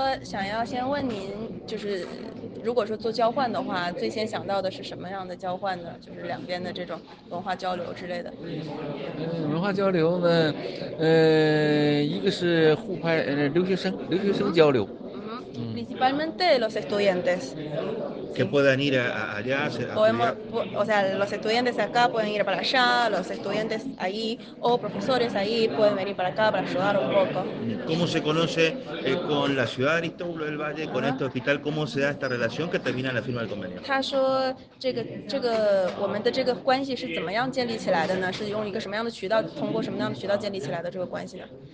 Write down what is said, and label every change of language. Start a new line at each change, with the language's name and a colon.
Chinese: 想要先问您，就是如果说做交换的话，最先想到的是什么样的交换呢？就是两边的这种文化交流之类的。文化交流呢，一个是互派，留学生，留学生交流。
Spanish: Principalmente los estudiantes. Que puedan ir allá a Podemos, o sea, los estudiantes acá pueden ir para allá, los estudiantes ahí o profesores ahí pueden venir para acá para ayudar un poco. ¿Cómo se conoce con la ciudad de Aristóbulo del Valle, con este hospital? ¿Cómo se da esta relación que termina la firma del convenio?
Chinese: 他说这个我们的这个关系是怎么样建立起来的呢？是用一个什么样的渠道，通过什么样的渠道建立起来的这个关系呢？